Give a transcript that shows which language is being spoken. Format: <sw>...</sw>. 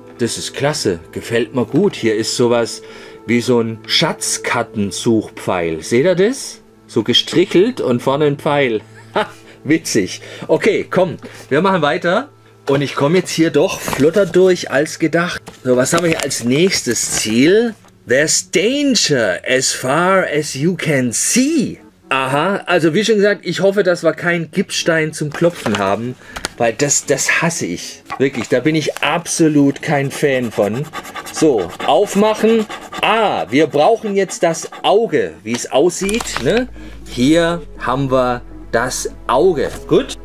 <de>Das ist klasse, gefällt mir gut. Hier ist sowas wie so ein Schatzkartensuchpfeil. Seht ihr das? So gestrichelt und vorne ein Pfeil. Witzig. Okay, komm, wir machen weiter. Und ich komme jetzt hier doch flotter durch als gedacht. So, was haben wir hier als nächstes Ziel?</de> <en>There's danger as far as you can see.</en> <de>Aha, also wie schon gesagt, ich hoffe, dass wir keinen Gipsstein zum Klopfen haben. Weil das hasse ich. Wirklich, da bin ich absolut kein Fan von. So, aufmachen. Ah, wir brauchen jetzt das Auge, wie es aussieht. Ne? Hier haben wir das Auge. Gut.</de>